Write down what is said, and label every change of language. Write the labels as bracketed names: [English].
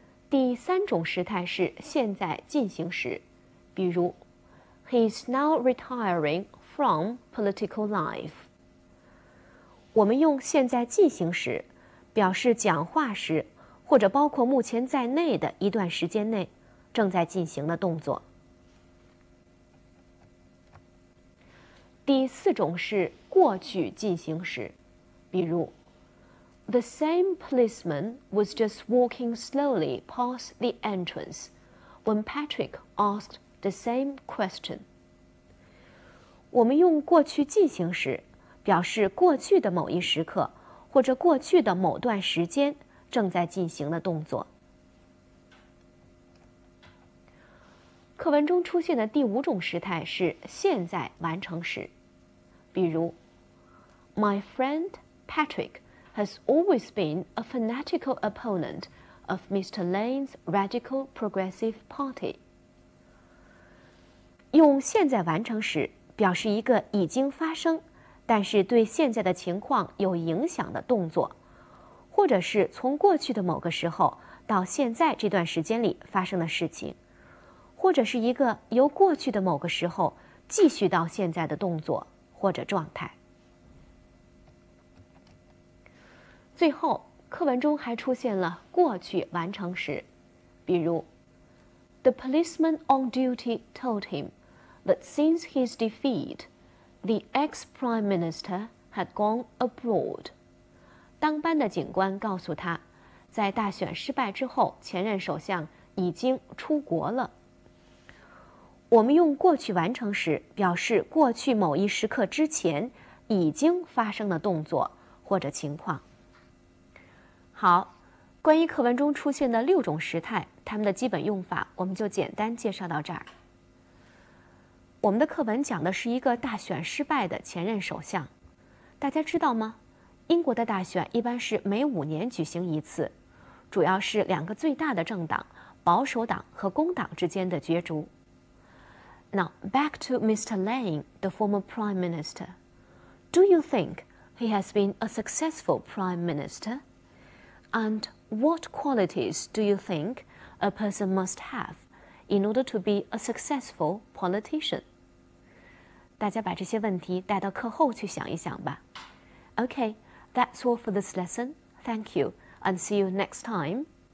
[Chinese] 第三种时态是现在进行时，比如 [English] He is now retiring from political life. [Chinese] 我们用现在进行时表示讲话时或者包括目前在内的一段时间内正在进行的动作。第四种是过去进行时，比如 [English] The same policeman was just walking slowly past the entrance when Patrick asked the same question. 我们用过去进行时表示过去的某一时刻或者过去的某段时间正在进行的动作。 [Chinese] 课文中出现的第五种时态是现在完成时，比如 [English] My friend Patrick has always been a fanatical opponent of Mr. Lane's Radical Progressive Party. [Chinese] 用现在完成时表示一个已经发生但是对现在的情况有影响的动作，或者是从过去的某个时候到现在这段时间里发生的事情，或者是一个由过去的某个时候继续到现在的动作或者状态。最后，课文中还出现了过去完成时，比如 [English] The policeman on duty told him that since his defeat,The ex-prime minister had gone abroad. [Chinese] 当班的警官告诉他，在大选失败之后，前任首相已经出国了。我们用过去完成时表示过去某一时刻之前已经发生的动作或者情况。好，关于课文中出现的六种时态，它们的基本用法，我们就简单介绍到这儿。我们的课文讲的是一个大选失败的前任首相，大家知道吗？英国的大选一般是每五年举行一次，主要是两个最大的政党，保守党和工党之间的角逐。 [English] Now, back to Mr. Lane, the former Prime Minister. Do you think he has been a successful Prime Minister? And what qualities do you think a person must have in order to be a successful politician? [Chinese] 大家把这些问题带到课后去想一想吧。 [English] OK, that's all for this lesson. Thank you, and see you next time.